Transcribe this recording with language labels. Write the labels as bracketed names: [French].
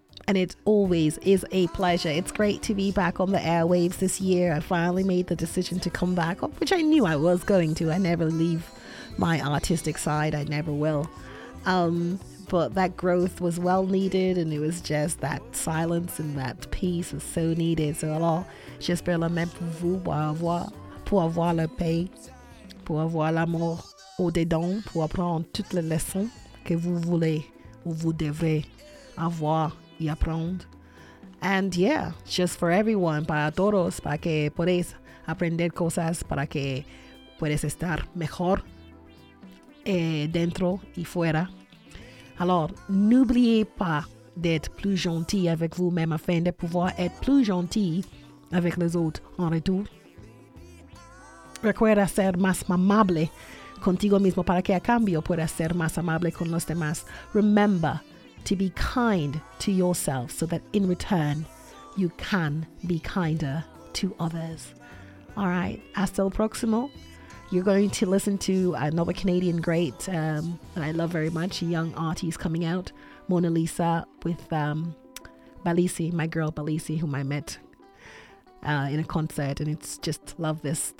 [English] And it always is a pleasure. It's great to be back on the airwaves this year. I finally made the decision to come back, which I knew I was going to. I never leave my artistic side. I never will. But that growth was well needed, and it was just that silence and that peace was so needed. [French] So alors, j'espère la même pour vous, pour avoir la paix, pour avoir l'amour au dedans, pour apprendre toutes les leçons que vous voulez ou vous devrez avoir. [Spanish] Y aprendre. [English] And yeah, just for everyone, [Spanish] para todos, para que puedas aprender cosas, para que puedas estar mejor dentro y fuera. [French] Alors, n'oubliez pas d'être plus gentil avec vous-même afin de pouvoir être plus gentil avec les autres en retour. [Spanish] Recuerda ser más amable contigo mismo para que a cambio puedas ser más amable con los demás. [English] Remember to be kind to yourself so that in return you can be kinder to others. All right, [Spanish] hasta el próximo. [English] You're going to listen to another Canadian great that I love very much, a young artist coming out, Mona Lisa, with Balisi, my girl Balisi, whom I met in a concert, and it's just love this.